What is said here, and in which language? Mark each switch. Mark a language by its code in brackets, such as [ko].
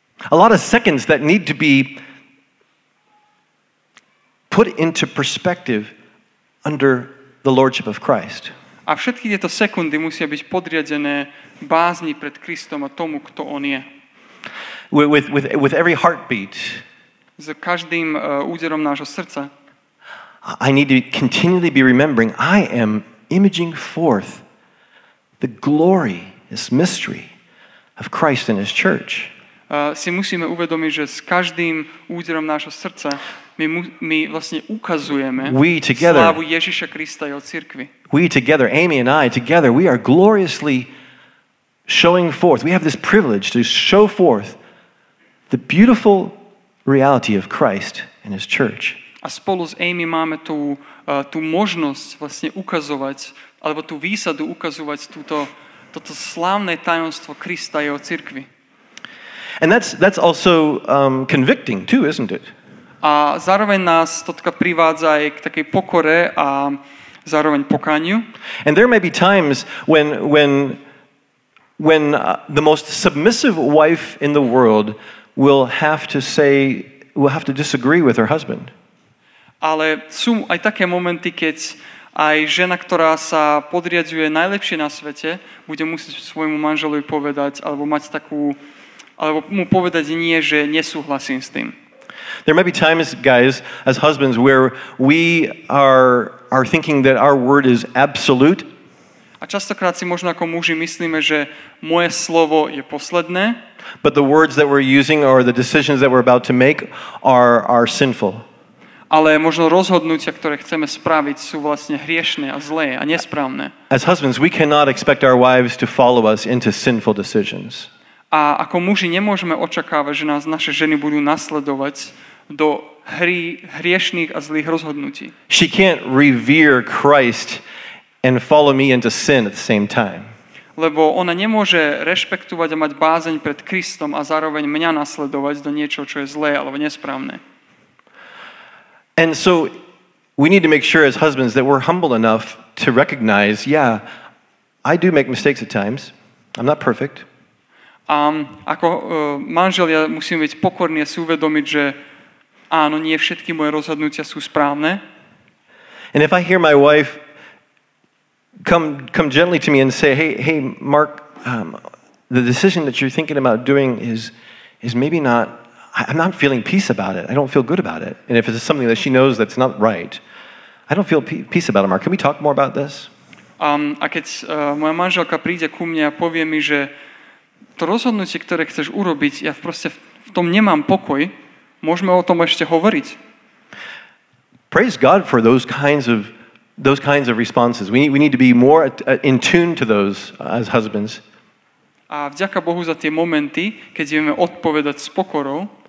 [en] A lot of seconds that need to be put into perspective under the lordship of Christ. [sk] A všetky tieto sekundy musia byť podriadené bázni pred Kristom a tomu, kto on je. [en] With every heartbeat. [sk] S každým úderom nášho srdca. [en] I need to continually be remembering I am imaging forth the glory, this mystery of Christ and his church. [sk] Si musíme uvedomiť, že s každým úderom nášho srdca my vlastne ukazujeme slávu Ježiša Krista jeho cirkvi. [en] We together, Amy and I together, we are gloriously showing forth. We have this privilege to show forth the beautiful reality of Christ and his church. [sk] A spolu s Amy máme tú možnosť vlastne ukazovať alebo tú výsadu ukazovať toto slávne tajomstvo Krista jeho cirkvi. [en] And that's also convicting too, isn't it? [sk] A zároveň nás to tak privádza aj k takej pokore a zároveň pokániu. [en] And there may be times when the most submissive wife in the world will have to disagree with her husband. [sk] Ale sú aj také momenty, keď aj žena, ktorá sa podriadzuje najlepšie na svete, bude musieť svojmu manželovi povedať alebo mať takú alebo mu povedať nie, že nesúhlasím s tým. [en] There may be times, guys, as husbands, where we are thinking that our word is absolute. [sk] A častokrát si možno ako muži myslíme, že moje slovo je posledné. [en] But the words that we're using or the decisions that we're about to make are sinful. [sk] Ale možno rozhodnutia, ktoré chceme spraviť, sú vlastne hriešne a zlé a nesprávne. [en] As husbands, we cannot expect our wives to follow us into sinful decisions. [sk] A ako muži nemôžeme očakávať, že nás naše ženy budú nasledovať do hriešných a zlých rozhodnutí. [en] She can't revere Christ and follow me into sin at the same time. [sk] Lebo ona nemôže rešpektovať a mať bázeň pred Kristom a zároveň mňa nasledovať do niečoho, čo je zlé alebo nesprávne. [en] And so we need to make sure as husbands that we're humble enough to recognize, yeah, I do make mistakes at times. I'm not perfect. [sk] Ako manželia musíme byť pokorní a si uvedomiť, že áno, nie všetky moje rozhodnutia sú správne. [en] And if I hear my wife come gently to me and say, hey, Mark, the decision that you're thinking about doing is maybe not, I'm not feeling peace about it. I don't feel good about it. And if it's something that she knows that's not right, I don't feel peace about it, Mark. Can we talk more about this? [sk] A keď moja manželka príde ku mne a povie mi, že to rozhodnutie, ktoré chceš urobiť, ja proste v tom nemám pokoj, môžeme o tom ešte hovoriť. [en] Praise God for those kinds of responses. We need to be more in tune to those as husbands. [sk] A vďaka Bohu za tie momenty, keď vieme odpovedať s pokorou.